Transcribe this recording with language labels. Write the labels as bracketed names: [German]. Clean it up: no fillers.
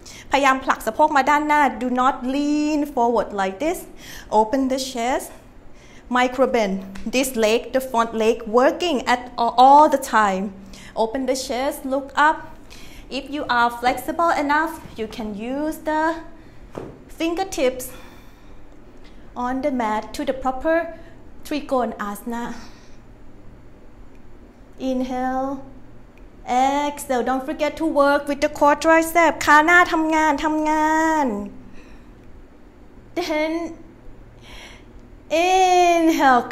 [Thai] พยายามผลักสะโพกมาด้านหน้า [English] Do not lean forward like this. Open the chest. Micro bend. This leg, the front leg, working at all the time. Open the chest. Look up. If you are flexible enough, you can use the fingertips on the mat to the proper. Trikonasana. Inhale. Exhale. Don't forget to work with the core tricep. [Thai] ขาหน้าทำงานทำงาน [English] Then inhale.